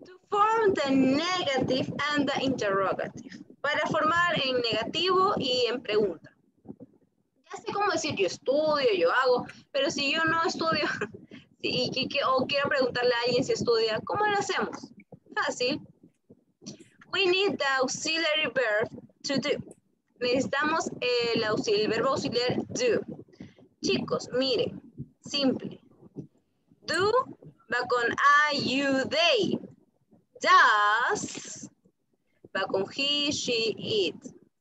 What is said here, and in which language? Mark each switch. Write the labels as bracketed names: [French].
[English] Form the negative and the interrogative. [Spanish] Para formar en negativo y en pregunta. Ya sé cómo decir yo estudio, yo hago, pero si yo no estudio y quiero preguntarle a alguien si estudia, ¿cómo lo hacemos? Fácil. [English] We need the auxiliary verb to do. [Spanish] Necesitamos el verbo auxiliar do. Chicos, mire, simple. Do va con I, you, they. Does va con he, she, it.